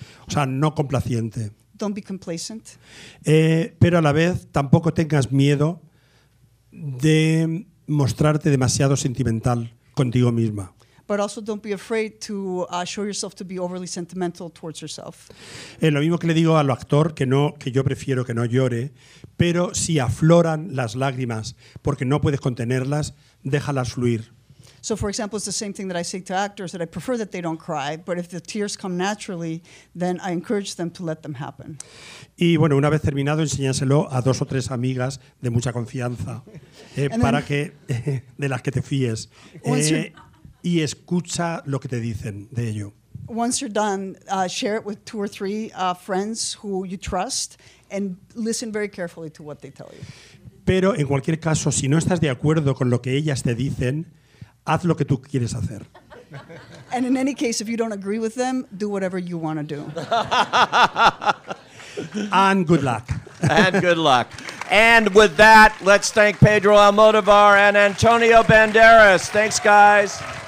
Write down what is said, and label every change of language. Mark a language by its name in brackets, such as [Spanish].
[Spanish] O sea, no complaciente. [English] Don't be complacent. [Spanish] Pero a la vez, tampoco tengas miedo de mostrarte demasiado sentimental contigo misma. [English] But also don't be afraid to show yourself to be overly sentimental towards yourself. [Spanish] Lo mismo que le digo al actor, que yo prefiero que no llore, pero si afloran las lágrimas porque no puedes contenerlas, déjalas fluir. [English] So for example, it's the same thing that I say to actors, that I prefer that they don't cry, but if the tears come naturally, then I encourage them to let them happen. [Spanish] Y bueno, una vez terminado, enséñaselo a dos o tres amigas de mucha confianza, para que de las que te fíes. Y escucha lo que te dicen de ello. [English] Once you're done, share it with two or three friends who you trust and listen very carefully to what they tell you. [Spanish] Pero en cualquier caso, si no estás de acuerdo con lo que ellas te dicen, haz lo que tú quieres hacer. [English] And in any case, if you don't agree with them, do whatever you want to do. And good luck. And good luck. And with that, let's thank Pedro Almodovar and Antonio Banderas. Thanks, guys.